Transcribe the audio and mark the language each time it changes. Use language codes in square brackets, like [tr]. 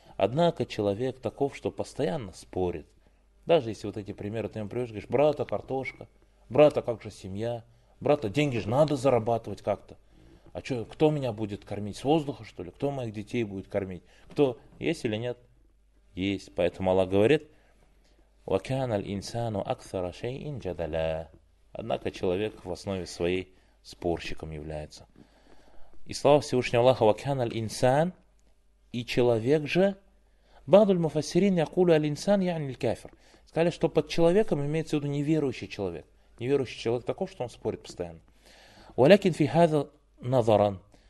[ru] Однако человек таков, что постоянно спорит. Даже если вот эти примеры ты ему приведешь, говоришь, брата картошка, брата как же семья, брата деньги же надо зарабатывать как-то. А что, кто меня будет кормить? С воздуха, что ли? Кто моих детей будет кормить? Кто? Есть или нет? Есть. Поэтому Аллах говорит, [ar] وَكَانَ الْإِنسَانُ أَكْثَرَ شَيْءٍ جَدَلًا. [ru] Однако человек в основе своей спорщиком является. И слава Всевышнего Аллаха, [ar] وَكَانَ الْإِنسَانُ. [ru] И человек же, [ar] بَعْضُ الْمُفَسِّرِينَ يَقُولُ الْإِنسَانُ يَعْنِ الْكَافِرُ. [ru] Сказали, что под человеком имеется в виду неверующий человек. Неверующий человек таков, что он спорит постоянно. [ar] وَلَكِنْ فِي هَذَا Назаран.